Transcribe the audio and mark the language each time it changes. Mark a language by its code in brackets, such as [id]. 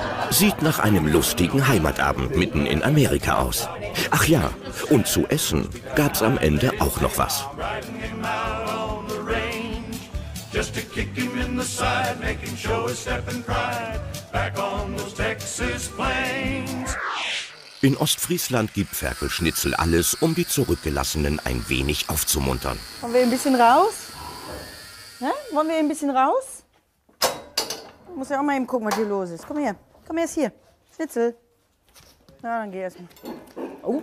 [de] Sieht nach einem lustigen Heimatabend mitten in Amerika aus. Ach ja, und zu essen gab's am Ende auch noch was. [en] Just to kick him in the side, make him show his step and pride, back on those Texas plains. [de] In Ostfriesland gibt Ferkelschnitzel alles, um die Zurückgelassenen ein wenig aufzumuntern. Wollen wir ein bisschen raus? Ja? Wollen wir ein bisschen raus? Ich muss ja auch mal eben gucken, was hier los ist. Komm erst hier. Schnitzel. Na, ja, dann geh erst mal. Oh.